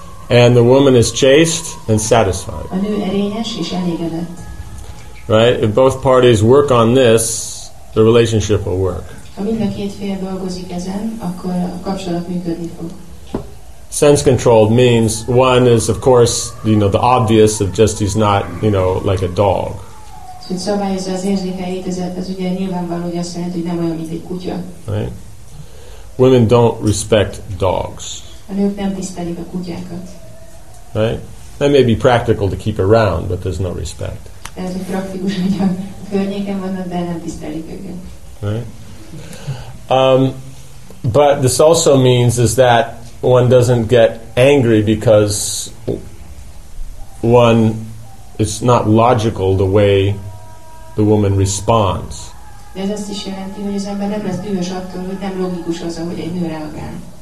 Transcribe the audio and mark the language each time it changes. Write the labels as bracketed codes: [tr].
[en] And the woman is chaste and satisfied. Right? If both parties work on this, the relationship will work. [hu] Ha mind a két fél dolgozik ezen, akkor a kapcsolat működni fog. [en] Sense controlled means one is, of course, you know, the obvious of just he's not, you know, like a dog. [hu] Szabályozza az érzékeit, ez ugye nyilvánvaló, hogy azt jelenti, hogy nem olyan, mint egy kutya. [en] Right? Women don't respect dogs. [hu] A nők nem tisztelik a kutyákat. [en] Right? That may be practical to keep around, but there's no respect. [hu] Ez egy praktikus, hogy a környéken vannak, de nem tisztelik őket. [en] Right? But this also means is that one doesn't get angry because one, it's not logical the way the woman responds. [hu] De ez azt is jelenti, hogy az ember nem lesz dühös attól, hogy nem logikus az, ahogy egy nő reagál.